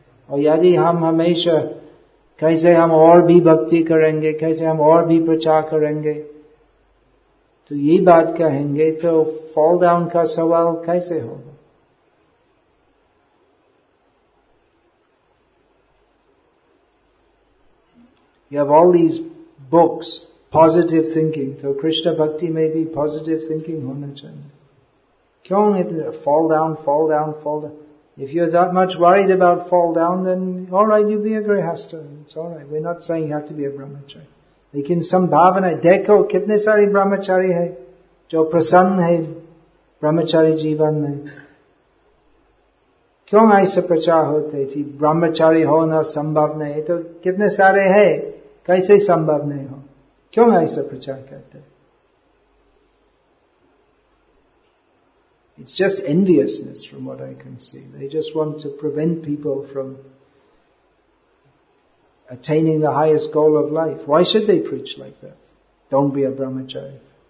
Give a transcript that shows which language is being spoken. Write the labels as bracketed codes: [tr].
[hi] और यदि हम हमेशा कैसे हम और भी भक्ति करेंगे, कैसे हम और भी प्रचार करेंगे, तो ये बात कहेंगे तो फॉल डाउन का सवाल कैसे होगा। [en] you have all these books positive thinking, [hi] तो कृष्ण भक्ति में भी पॉजिटिव थिंकिंग होना चाहिए। क्यों fall down. [en] If you're that much worried about fall down, then all right, you'll be a grihastha. It's all right. We're not saying you have to be a brahmachari. [hi] Lekin sambhavana, dekho, kitne sari brahmachari hai, jo prasann hai brahmachari jivan mein. क्यों ऐसे प्रचार होते थे ब्रह्मचारी होना संभव नहीं, तो कितने सारे हैं, कैसे संभव नहीं हो, क्यों ऐसे प्रचार करते? [en] It's just enviousness from what I can see. They just want to prevent people from attaining the highest goal of life. Why should they preach like that? Don't be a brahmachari.